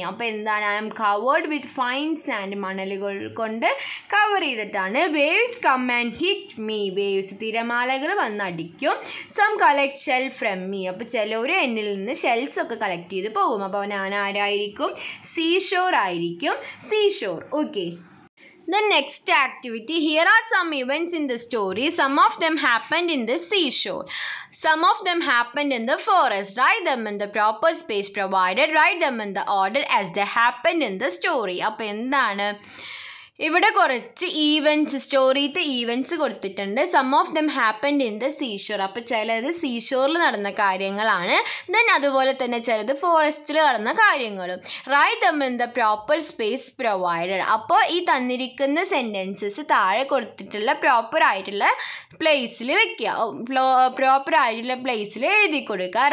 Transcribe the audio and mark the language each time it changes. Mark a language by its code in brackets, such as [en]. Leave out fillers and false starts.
[ml] അപ്പോൾ എന്താണ്, [en] I am covered with fine sand, [ml] മണലുകൾ കൊണ്ട് കവർ ചെയ്തിട്ടാണ്. [en] waves come and hit me, waves [ml] തിരമാലകൾ വന്നടിക്കും. [en] some collection from me, [ml] അപ്പോൾ ചിലവർ എന്നിൽ നിന്ന് ഷെൽസ് ഒക്കെ കളക്ട് ചെയ്ത് പോകും. അപ്പോൾ ഞാൻ ആരായിരിക്കും, സീഷോർ ആയിരിക്കും, seashore. [en] Okay. The next activity, here are some events in the story. Some of them happened in the seashore. Some of them happened in the forest. Write them in the proper space provided. Write them in the order as they happened in the story. [ml] അപ്പോൾ എന്താണ്, ഇവിടെ കുറച്ച് events, സ്റ്റോറിയിലെ events കൊടുത്തിട്ടുണ്ട്. [en] some of them happened in the seashore, [ml] അപ്പോൾ ചിലത് സീഷോറിൽ നടന്ന കാര്യങ്ങളാണ്, then അതുപോലെ തന്നെ ചിലത് ഫോറസ്റ്റിൽ നടന്ന കാര്യങ്ങളും. [en] write them in the proper space provided, [ml] അപ്പോൾ ഈ തന്നിരിക്കുന്ന സെൻറ്റൻസസ് താഴെ കൊടുത്തിട്ടുള്ള പ്രോപ്പറായിട്ടുള്ള പ്ലേസിൽ വെക്കുക, പ്രോപ്പറായിട്ടുള്ള പ്ലേസിൽ എഴുതി കൊടുക്കുക.